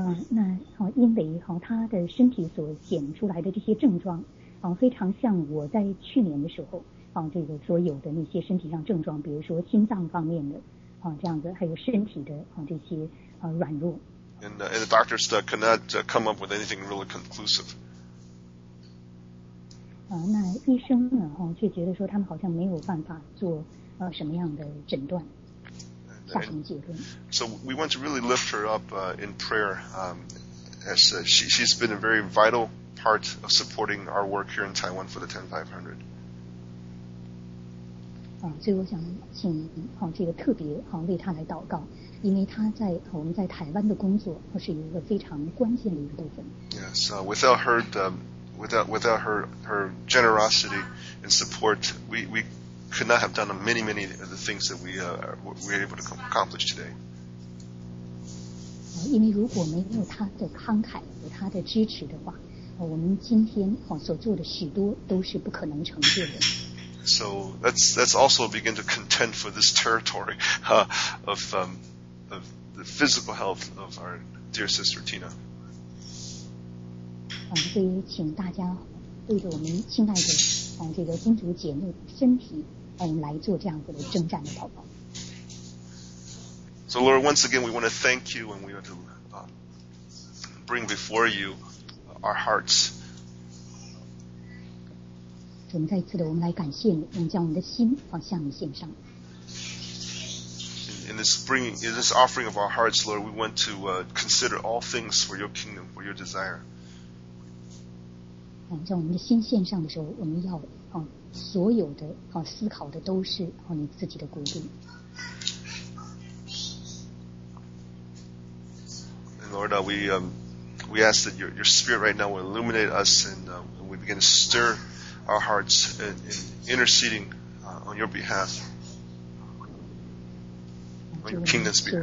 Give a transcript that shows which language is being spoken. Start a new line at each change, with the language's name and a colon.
Chinese: 那因为她的身体所显出来的这些症状非常像我在去年的时候这个所有的那些身体上症状，比如说心脏方面的这样子，还有身体的这些软弱。
English: And the doctors cannot come up with anything really conclusive.
Chinese: 那医生呢却觉得说他们好像没有办法做什么样的诊断。
English: So we want to really lift her up in prayer as she's been a very vital part of supporting our work here in Taiwan for the 10500.
Chinese: 所以我想请这个特别为她来祷告，因为她在我们在台湾的工作是一个非常关键的一个部分。
English: Yes, without her, without her generosity and support, we could not have done many of the things that we were able to accomplish today.
Chinese: 因为如果没有她的慷慨和她的支持的话，我们今天所做的许多都是不可能成就的。
English: So let's also begin to contend for this territory of the physical health of our dear sister Tina.
Chinese: 所以请大家对着我们亲爱的这个金主姐妹身体来做这样子的征战的祷告。
English: So Lord, once again, we want to thank you and we want to bring before you our hearts.
Chinese: 我们再一次的，我们来感谢你，我们将我们的心放向你献上。
English: In this offering of our hearts, Lord, we want to consider all things for your kingdom, for your desire.
Chinese: 将我们的心献上的时候，我们要所有的思考的都是你自己的国度。
English: Lord, we ask that your spirit right now will illuminate us and we begin to stir our hearts in interceding on your behalf, on your kingdom's